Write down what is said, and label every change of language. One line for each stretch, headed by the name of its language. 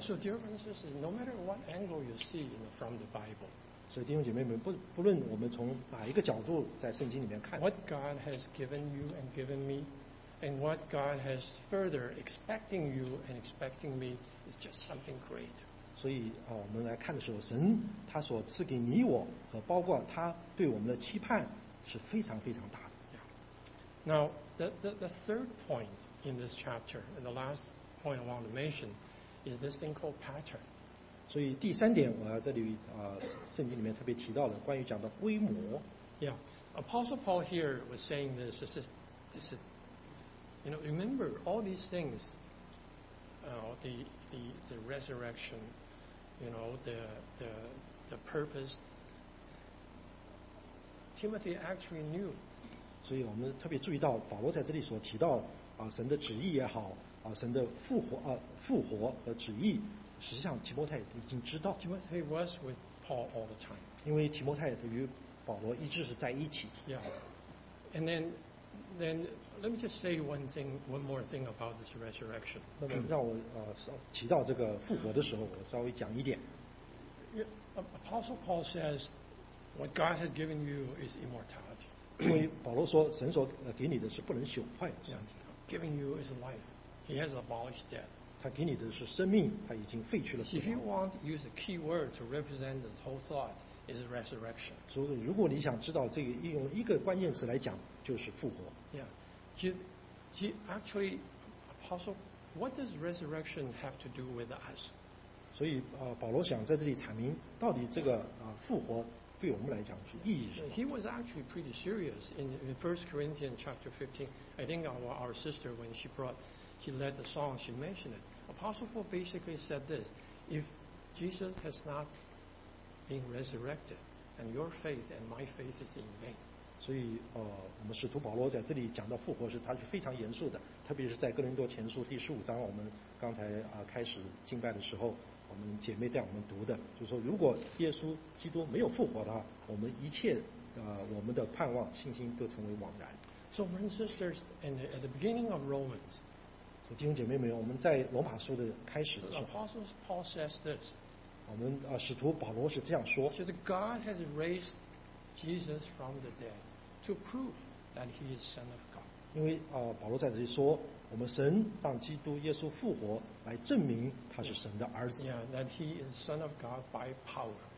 English: So, dear brothers, no matter what angle you see from the Bible,
Chinese: 所以弟兄姐妹们，不论我们从哪一个角度在圣经里面看
English: ，What God has given you and given me. And what God has further expecting you and expecting me is just something great.
Chinese: 所以我们来看的时候，神他所赐给你我和包括他对我们的期盼是非常非常大的。
English: Now, the third point in this chapter, and the last point I want to mention, is this thing called pattern.
Chinese: 所以第三点我要这里圣经里面特别提到的关于讲的规模。
English: Yeah, Apostle Paul here was saying this. This is You know, remember all these things, the resurrection, you know, the purpose. Timothy actually knew.
Chinese: 所以我们特别注意到保罗在这里所提到神的旨意也好神的复活和旨意，实际上提摩太已经知道。
English: Timothy was with Paul all the time.
Chinese: 因为提摩太与保罗一直是在一起。
English: Yeah, and then let me just say one more thing about this resurrection.
Chinese: 那么让我提到这个复活的时候，我稍微讲一点。
English: Apostle Paul says, "What God has given you is immortality."
Chinese: 因为保罗说，神所给你的是不能朽坏的。
English: Giving you is life. He has abolished death.
Chinese: 他给你的是生命，他已经废去了死亡。
English: If you want to use a key word to represent this whole thought. Is a resurrection.
Chinese: 所以，如果你想知道这个，用一个关键词来讲，就是复活。
English: Yeah, actually, Apostle, what does resurrection have to do with us?
Chinese: 所以，保罗想在这里阐明，到底这个复活对我们来讲是意义什么
English: ？He was actually pretty serious in 1 Corinthians chapter 15. I think our sister, when she led the song, she mentioned it. Apostle Paul basically said this: If Jesus has not being resurrected and your faith and my faith is in vain
Chinese: 所以我们使徒保罗在这里讲到复活时他是非常严肃的特别是在哥林多前书第十五章我们刚才开始敬拜的时候我们姐妹带我们读的就是说如果耶稣基督没有复活的话我们一切我们的盼望信心都成为枉然
English: So brothers and sisters and at the beginning of Romans
Chinese: 所以弟兄姐妹们我们在罗马书的开始的时候
English: Apostle Paul says this
Chinese: 使徒保罗是这样说
English: God has raised Jesus from the dead to prove that he is son of God
Chinese: 因为保罗在这里说我们神让基督耶稣复活来证明他是神的儿子
English: yeah, that he is son of God by power